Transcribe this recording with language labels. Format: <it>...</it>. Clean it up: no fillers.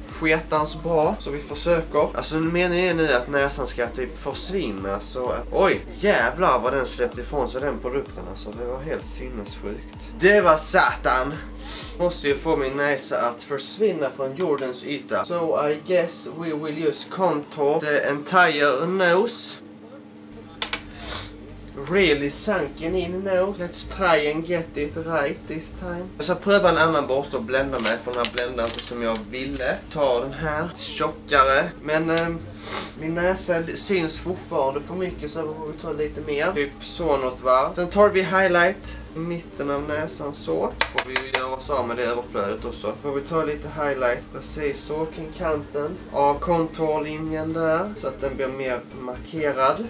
<sv>Sketans bra, så vi försöker. Alltså meningen är nu att näsan ska typ försvinna, så att... Oj, jävlar vad den släppte ifrån sig den produkten, alltså det var helt sinnessjukt. Det var satan! Måste ju få min näsa att försvinna från jordens yta.</sv> <en>So I guess we will use contour the entire nose. Really sunken in now. Let's try and get it right this time.</en> <sv>Jag ska pröva en annan borste och blända mig från den här bländaren som jag ville. Ta den här, tjockare. Men min näsa syns fortfarande för mycket, så behöver vi ta lite mer. Typ så något va. Sen tar vi highlight i mitten av näsan så. Får vi göra oss av med det överflödet också. Får vi ta lite highlight precis så kring kanten av kontorlinjen där, så att den blir mer markerad.</sv>